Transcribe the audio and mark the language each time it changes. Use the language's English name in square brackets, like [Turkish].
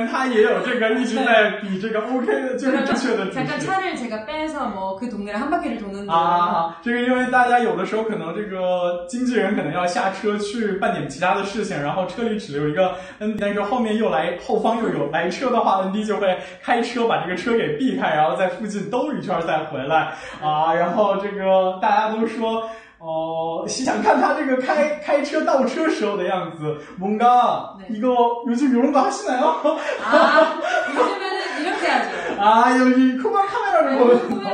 [Chinese] 啊，这个其实现场啊，我们有工作人员，他也有这个一直在比这个OK的，就是正确的。 [Korean] 잠깐 차를 제가 빼서 뭐 그 동네를 한 바퀴를 도는. [Chinese] 아, 这个因为大家有的时候可能这个经纪人可能要下车去办点其他的事情，然后车里只留一个 ND， 但是后面又来后方又有来车的话 ，ND 就会开车把这个车给避开，然后在附近兜一圈再回来。啊，然后这个大家都说。 어, 시想看他这个开车倒车时候的样子。 [Korean] 뭔가, 네. 이거, 요즘 이런 거 하시나요? 아, 요즘에는 이렇게 하죠. 아, 여기 쿠만 카메라를 보면서.